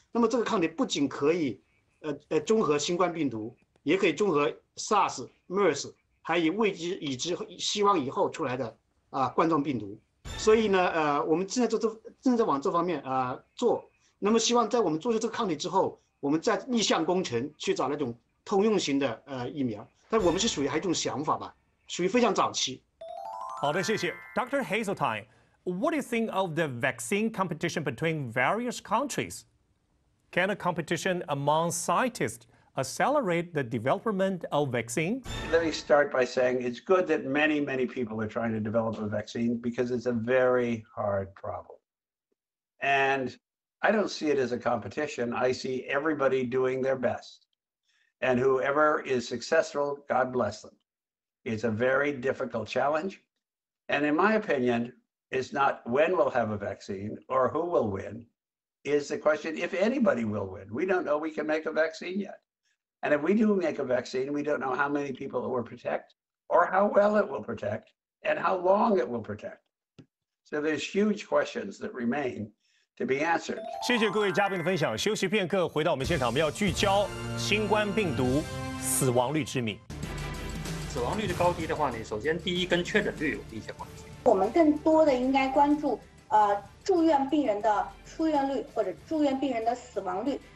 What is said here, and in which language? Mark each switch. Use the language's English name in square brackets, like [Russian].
[Chinese] 那么这个抗体不仅可以中和新冠病毒，也可以中和 SARS、 MERS， 还有未知已知希望以后出来的冠状病毒。所以呢我们现在正在往这方面做。那么希望在我们做出这个抗体之后，我们再逆向工程去找那种通用型的疫苗。但我们是属于还一种想法吧，属于非常早期。好的，谢谢。Dr. [English] Hazeltine, what do you think of the vaccine competition between various countries? Can a competition among scientists accelerate the development of vaccine? Let me start by saying it's good that many, many people are trying to develop a vaccine because it's a very hard problem. And I don't see it as a competition. I see everybody doing their best. And whoever is successful, God bless them. It's a very difficult challenge. And in my opinion, it's not when we'll have a vaccine or who will win. Is the question if anybody will win. We don't know we can make a vaccine yet. And if we do make a vaccine, we don't know how many people it will protect or how well it will protect and how long it will protect. So there's huge questions that remain to be answered. [Chinese] 谢谢各位嘉宾的分享。休息片刻，回到我们现场，我们要聚焦新冠病毒死亡率之谜。死亡率的高低的话呢，首先第一跟确诊率有一些关系。我们更多的应该关注住院病人的出院率或者住院病人的死亡率。